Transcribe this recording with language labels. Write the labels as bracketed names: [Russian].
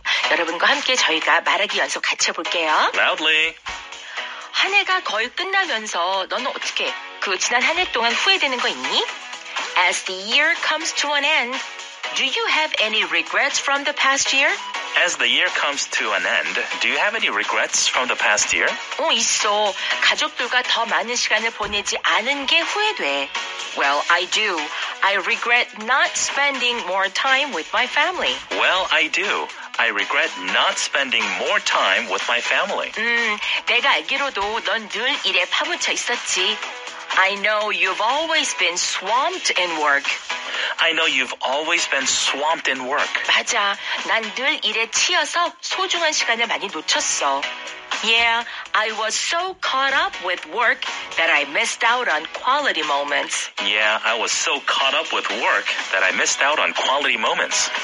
[Korean] 여러분과 함께 저희가 말하기 연속 같이 해볼게요. [English] Loudly. [Korean] 한 해가 거의 끝나면서 너는 어떻게 그 지난 한 해 동안 후회되는 거 있니? [English] As the year comes to an end, do you have any regrets from the past year? As the year comes to an end, do you have any regrets from the past year? [Korean] 어, 있어. 가족들과 더 많은 시간을 보내지 않은 게 후회돼. [English] Well, I do. I regret not spending more time with my family. Well, I do. I regret not spending more time with my family. [Korean] 내가 알기로도 넌 늘 일에 파묻혀 있었지. [English] I know you've always been swamped in work. I know you've always been swamped in work. [Korean] 맞아. 난 늘 일에 치여서 소중한 시간을 많이 놓쳤어. [English] Yeah, I was so caught up with work that I missed out on quality moments. Yeah, I was so caught up with work that I missed out on quality moments.